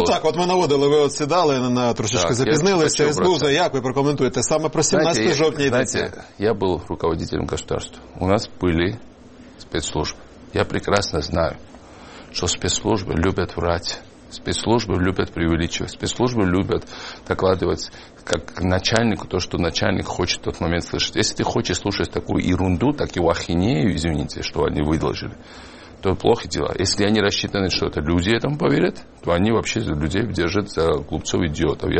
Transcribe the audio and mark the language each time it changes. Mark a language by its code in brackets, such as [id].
[uk] Ну так, от ми наводили, ви от сідали, на трошечки так, запізнилися. СБУ, за як ви прокоментуєте? Саме про 18 жовтня йдеться. [ru] Знаете, я був руководителем государства. [uk] У нас були спецслужби. Я прекрасно знаю, що спецслужби люблять врати. [ru] Спецслужбы любят преувеличивать. Спецслужбы любят докладывать как начальнику то, что начальник хочет в тот момент слышать. Если ты хочешь слушать такую ерунду, такую ахинею, извините, что они выдолжили, то плохо дело. Если они рассчитаны, что это люди этому поверят, то они вообще людей держат за глупцов идиотов.